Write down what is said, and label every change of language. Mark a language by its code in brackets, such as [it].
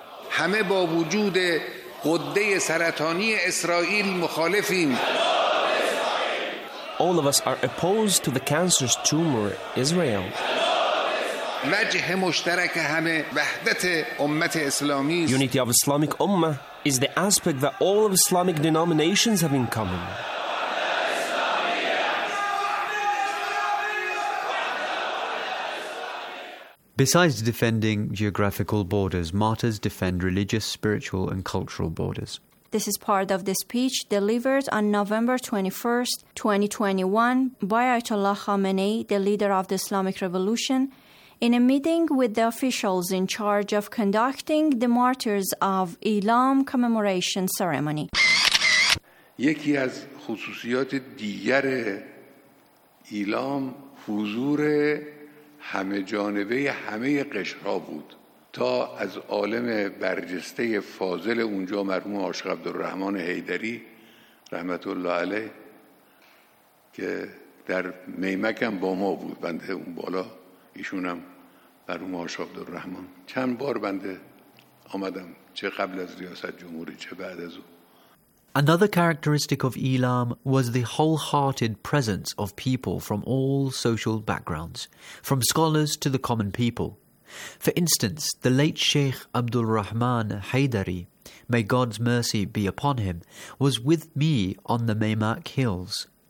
[fa] همه با وجود قده سرطانی اسرائیل مخالفیم. [en] All of us are opposed to the cancerous tumor Israel. [fa] وجه مشترک همه وحدت امت اسلامی. [en] Unity of Islamic Ummah is the aspect that all of Islamic denominations have in common. Besides defending geographical borders, martyrs defend religious, spiritual, and cultural borders. This is part of the speech delivered on November 21st, 2021 by Ayatollah Khamenei, the leader of the Islamic Revolution, in a meeting with the officials in charge of conducting the Martyrs of Elam commemoration ceremony. [fa] یکی از خصوصیات دیگر ایلام حضور همه جانبه همه قشرا بود. تا از عالم برجسته فاضل اونجا مرحوم آشق عبدالرحمن حیدری رحمت الله علیه که در میمکم با ما بود، بنده اون بالا ایشونم مرحوم آشق عبدالرحمن چند بار بنده آمدم، چه قبل از ریاست جمهوری چه بعد از او. [en] Another characteristic of Elam was the wholehearted presence of people from all social backgrounds, from scholars to the common people. For instance, the late Sheikh Abdul Rahman Haydari, may God's mercy be upon him, was with me on the Meymak Hills.